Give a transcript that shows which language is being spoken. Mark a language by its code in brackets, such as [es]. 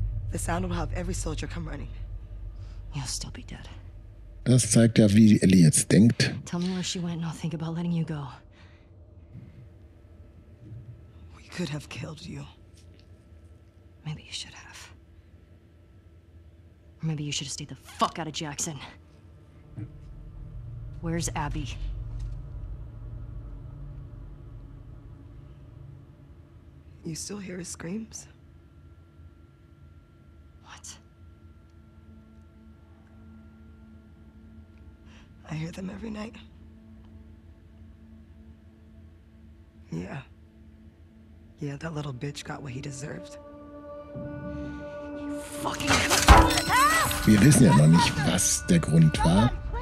[en] The sound will have every soldier come running. You'll still be dead. [de] Das zeigt ja, wie Ellie jetzt denkt. [en] Tell me where she went and I'll think about letting you go. We could have killed you. Maybe you should have. Or maybe you should have stayed the fuck out of Jackson. Where's Abby? You still hear his screams? What? I hear them every night. Yeah. Yeah, that little bitch got what he deserved. You fucking... [de] Wir wissen ja noch nicht, was der Grund war.